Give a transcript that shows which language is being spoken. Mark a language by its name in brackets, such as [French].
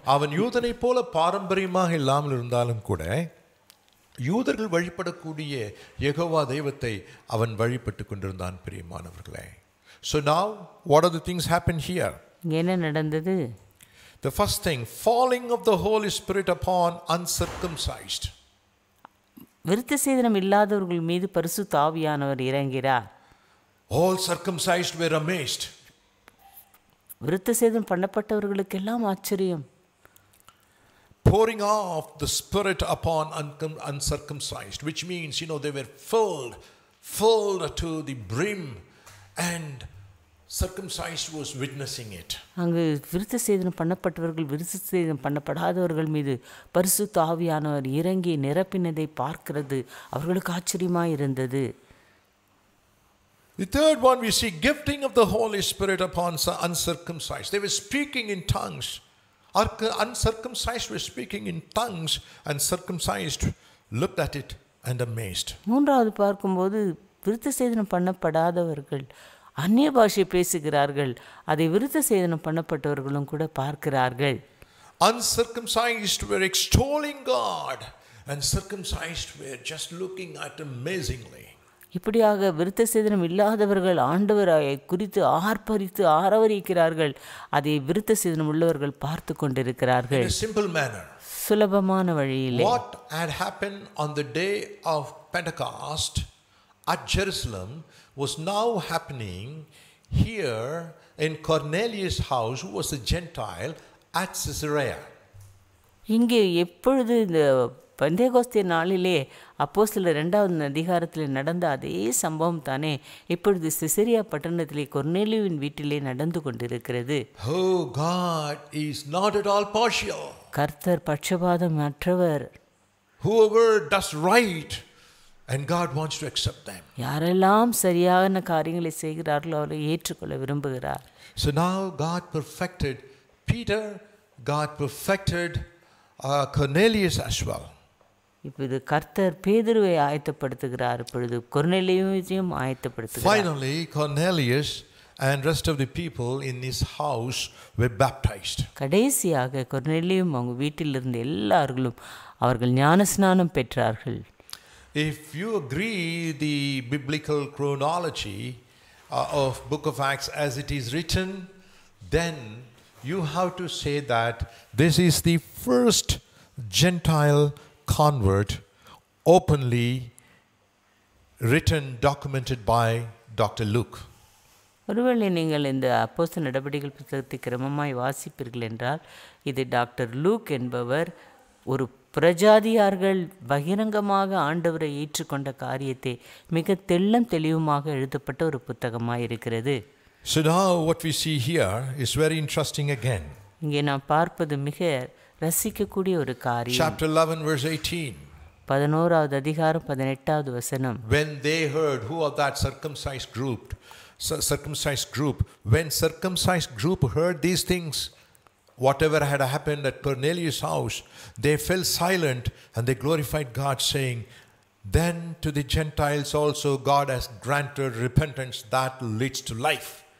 [Tamil] அவன் யூதனைப் போல பாரம்பரியமாக இல்லாமல் இருந்தாலும் கூட, யூதர்கள் வழிபடக்கூடிய யெகோவா தெய்வத்தை அவன் வழிபட்டு கொண்டிருந்தான். பிரியமானவர்களே, [English] so now what are the things happened here? [Tamil] என்ன நடந்தது? [English] The first thing, falling of the Holy Spirit upon uncircumcised. [Tamil] விருத்த சேதனம் இல்லாதவர்கள் மீது பரிசுத்த ஆவியானவர் இறங்கிறார். [English] All circumcised were amazed. [Tamil] விருத்த சேதனம் பண்ணப்பட்டவர்களுக்கு எல்லாம் ஆச்சரியம். [English] Pouring off the Spirit upon uncircumcised, which means, you know, they were filled to the brim, and circumcised was witnessing it. [Tamil] அங்கு விருத்த சேதனம் பண்ணப்பட்டவர்கள் விருத்த சேதனம் பண்ணப்படாதவர்கள் மீது பரிசுத்த ஆவியானவர் இறங்கி நிரப்பினதை பார்க்கிறது அவர்களுக்கு ஆச்சரியமாக இருந்தது. [English] The third one, we see gifting of the Holy Spirit upon uncircumcised. They were speaking in tongues. Uncircumcised were speaking in tongues, and circumcised looked at it and amazed. [Tamil] மூன்றாவது பார்க்கும்போது விருத்த சேதனம் பண்ணப்படாதவர்கள் அந்நிய பாஷை பேசுகிறார்கள், அதை விருத்த சேதனம் பண்ணப்பட்டவர்களும் கூட பார்க்கிறார்கள். [English] Uncircumcised were extolling God, and circumcised were just looking at amazingly. [Tamil] இப்படியாக விருத்த சேதனம் இல்லாதவர்கள் ஆண்டவராயை குறித்து ஆர்ப்பரித்து ஆரவரிக்கிறார்கள், அதை விருத்த சேதனம் உள்ளவர்கள் பார்த்து கொண்டிருக்கிறார்கள். [English] simple manner, [Tamil] சுலபமான வழியில். [English] What had happened on the day of Pentecost at Jerusalem was now happening here in Cornelius' house, who was a Gentile, at Caesarea. [Tamil] இங்கே எப்பொழுது இந்த பெந்தேகோஸ்தே நாளிலே அப்போஸ்தலர் இரண்டாவது அதிகாரத்தில் நடந்த அதே சம்பவம் தானே இப்பொழுது சிசரியா பட்டணத்திலே கொர்னேலியுவின் வீட்டிலே நடந்து கொண்டிருக்கிறது. [English] Oh, God is not at all partial. [Tamil] கர்த்தர் பட்சபாதம் அற்றவர். [English] Whoever does right, and God wants to accept them. [Tamil] யாரெல்லாம் சரியான காரியங்களை செய்கிறார்களோ அவர்களை ஏற்றுக்கொள்ள விரும்புகிறார். [English] So now God perfected Peter, God perfected Cornelius as well. [Tamil] இப்பொழுது கர்த்தர் பேதுருவை ஆயத்தப்படுத்துகிறார். இப்பொழுது கொர்னேலியுவையும் ஆயத்தப்படுத்துகிறார். [English] Finally, Cornelius and rest of the people in his house were baptized. [Tamil] கடைசியாக கொர்நேலியும் அவங்க வீட்டிலிருந்து எல்லாரும் அவர்கள் ஞான ஸ்நானம் பெற்றார்கள். [English] If you agree the biblical chronology of book of Acts as it is written, then you have to say that this is the first Gentile convert openly written, documented by Dr. Luke. [Tamil] ஒருவேளை நீங்கள் இந்த அப்போஸ்தல நடவடிக்கைகள் புத்தகத்தை கிரமமாய் வாசிப்பீர்கள் என்றால் இது doctor look என்பவர் ஒரு பிரஜாதியார்கள் பகிரங்கமாக ஆண்டவரை ஏற்றுக்கொண்ட காரியத்தை மிக தெள்ளம் தெளிவுமாக எழுதப்பட்ட ஒரு புத்தகமாக இருக்கிறது. [English] So now what we see here is very interesting again. [Tamil] இங்கே நாம் பார்ப்பது மிக ரசிக்கக்கூடிய ஒரு காரியம். [English] Chapter 11 verse 18. [Tamil] 11வது அதிகாரம் 18வது வசனம். [English] When they heard who of that circumcised group heard these things, whatever had happened at Cornelius' house, they fell silent and they glorified God, saying, then to the Gentiles also God has granted repentance that leads to life.